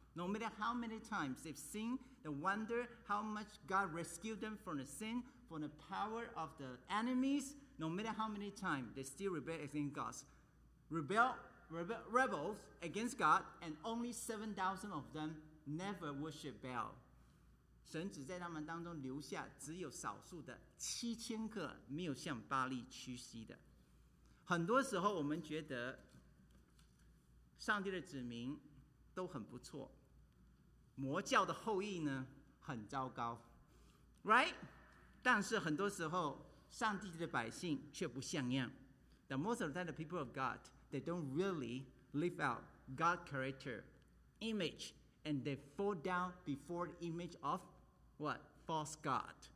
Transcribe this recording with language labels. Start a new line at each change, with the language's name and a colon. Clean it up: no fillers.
English: No matter how many times they've seen the wonder how much God rescued them from the sin, from the power of the enemies, no matter how many times they still rebel against God. Rebels against God, and only 7,000 of them never worship Baal.
Chinese: 神只在他们当中留下只有少数的7000个没有向巴利屈膝的。很多时候我们觉得上帝的子民都很不错。魔教的后裔呢，很糟糕 ，right？但是很多时候，上帝的百姓却不像样
English: ，the most of the time the people of God they don't really live out God character image and they fall down before the image of what false God，